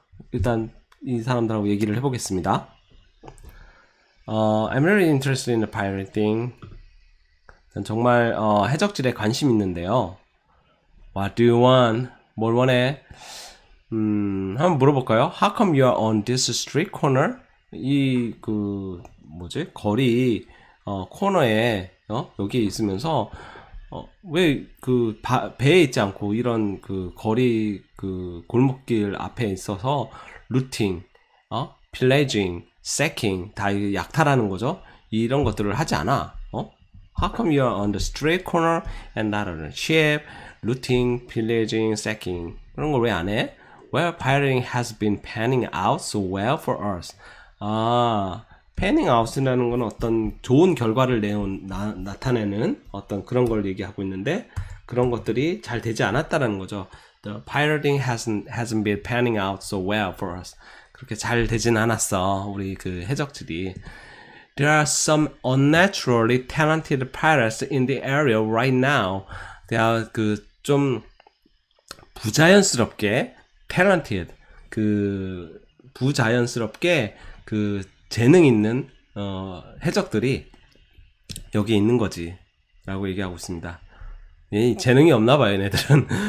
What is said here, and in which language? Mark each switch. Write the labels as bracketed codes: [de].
[ko] 일단 이 사람들하고 얘기를 해보겠습니다. [en] I'm really interested in the pirating. [ko] 정말 해적질에 관심 있는데요. [en] What do you want? [ko] 뭘 원해? 한번 물어볼까요? [en] How come you are on this street corner? [ko] 이그 뭐지? 거리 코너에 여기에 있으면서 왜그 배에 있지 않고 이런 그 거리 그 골목길 앞에 있어서 루팅, 필레징, 세킹 다 약탈하는 거죠? 이런 것들을 하지 않아? [en] How come you are on the street corner and not on a ship? Looting, pillaging, sacking. [ko] 그런 걸왜안 해? [en] Well, pirating has been panning out so well for us. [ko] 아, panning out이라는 건 어떤 좋은 결과를 나타내는 어떤 그런 걸 얘기하고 있는데 그런 것들이 잘 되지 않았다는 거죠. [en] The pirating hasn't been panning out so well for us. [ko] 그렇게 잘 되진 않았어. 우리 그 해적질이. [en] There are some unnaturally talented pirates in the area right now. [ko] 내가 그좀 부자연스럽게 talented 그 부자연스럽게 그 재능 있는 해적들이 여기 있는 거지라고 얘기하고 있습니다. 예, 재능이 없나 봐요, 얘네들은.